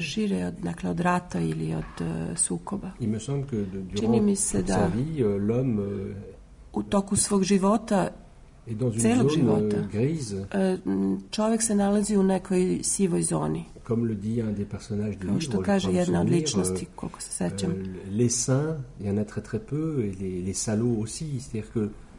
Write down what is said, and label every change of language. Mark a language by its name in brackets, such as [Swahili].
[Serbian] Šire od, dakle, od rata ili od sukoba. [French] Il me semble que durant sa vie, l'homme [Serbian] u toku svog života [French] et dans une zone grise. [Serbian] Čovjek se nalazi u nekoj sivoj zoni. [French] Comme le dit un des personnages du [Serbian] livre, što kaže jedna od ličnosti, koliko se sećam. [French] Les saints, il y en a très très peu, et les salauds aussi, c'est-à-dire que